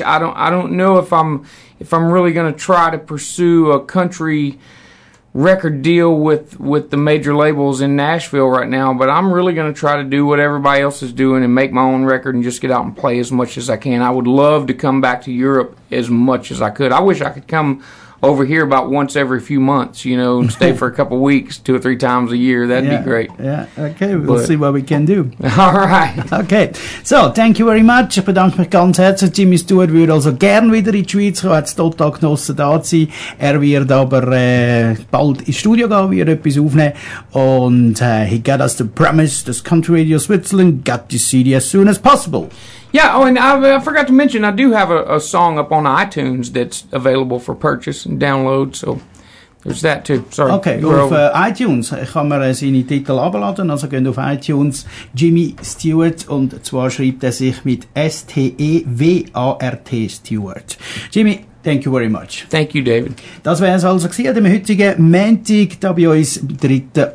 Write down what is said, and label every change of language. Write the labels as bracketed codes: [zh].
[en] I don't know if I'm really going to try to pursue a country record deal with the major labels in Nashville right now, but I'm really going to try to do what everybody else is doing and make my own record and just get out and play as much as I can. I would love to come back to Europe as much as I could. I wish I could come over here about once every few months, you know, and stay for a couple weeks, two or three times a year. That'd be great. Yeah, okay, we'll see what we can do. All right. Okay, so thank you very much. [de] Bedankt mich ganz herzlich. Jimmy Stewart würde also gern wieder in die Schweiz kommen, hat es total genossen, da zu sein. Er wird aber bald ins Studio gehen, wird etwas aufnehmen. [en] Und he got us the promise that Country Radio Switzerland got the CD as soon as possible. Yeah, oh, and I forgot to mention, I do have a song up on iTunes that's available for purchase and download, so there's that too. Sorry. [de] Okay, auf iTunes kann man seine Titel abladen, also geht auf iTunes, Jimmy Stewart, und zwar schreibt er sich mit S-T-E-W-A-R-T Stewart. [en] Jimmy, thank you very much. Thank you, David. [de] Das wäre es also gewesen, dem heutigen Montag, da bei uns am 3.